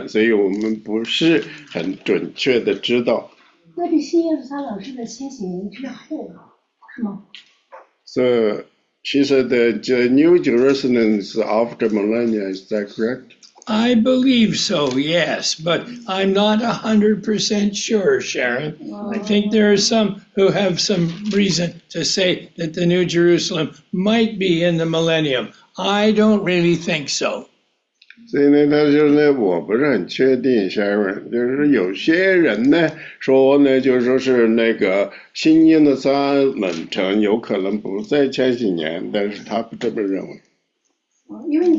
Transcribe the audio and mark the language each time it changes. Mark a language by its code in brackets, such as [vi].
[zh] 他说呢，我不是很确定那个新耶路撒冷城呢，在千禧年的时候呢，会是在地上。那么说呢，在永恒里有没有这个耶路撒新耶路撒冷有没有带到永恒里去？圣经里并没有告诉我们，所以我们不是很准确的知道。那是新耶路撒冷是在千禧年之后了，是吗？ [en] So she said that the New Jerusalem is after millennia. Is that correct? I believe so, yes, but I'm not 100% sure, Sharon. I think there are some who have some reason to say that the New Jerusalem might be in the millennium. I don't really think so. [zh] 所以呢，他就是呢，我不是很确定 ，Sharon， 就是有些人呢说呢，就是说是那个新耶路撒冷城有可能不在千禧年，但是他不这么认为。